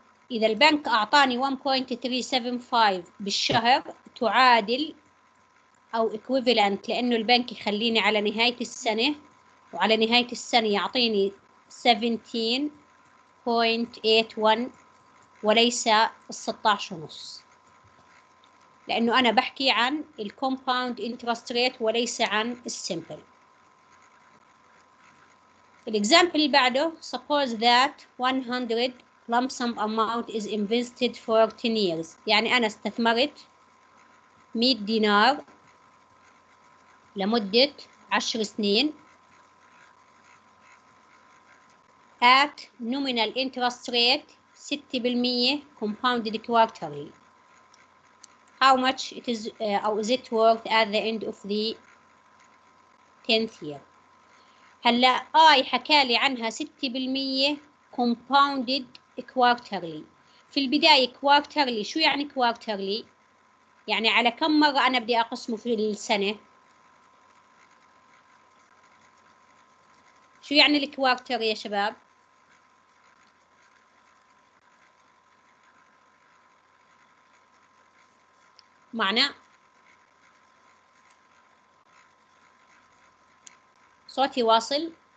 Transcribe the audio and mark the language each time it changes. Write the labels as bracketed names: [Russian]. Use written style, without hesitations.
[Arabic] إذا البنك أعطاني 1.375 بالشهر تعادل أو equivalent، لأنه البنك يخليني على نهاية السنة، وعلى نهاية السنة يعطيني 17.81 وليس 16.5، لأنه أنا بحكي عن الكومباوند انترست ريت وليس عن السيمبل. الإكزامبل اللي بعده، [English] suppose that 100 lump sum amount is invested for 10 years. [Arabic] يعني أنا استثمرت 100 دينار لمدة 10 سنين [English] at nominal interest rate 6% compounded quarterly. How much it is, or is it worth at the end of the 10th year? [Arabic] هلا آي حكالي عنها 6% compounded quarterly. في البداية quarterly، شو يعني quarterly؟ يعني على كم مرة أنا بدي أقسمه في السنة؟ شو يعني الكوارتر يا شباب؟ معنى؟ صوتي واصل؟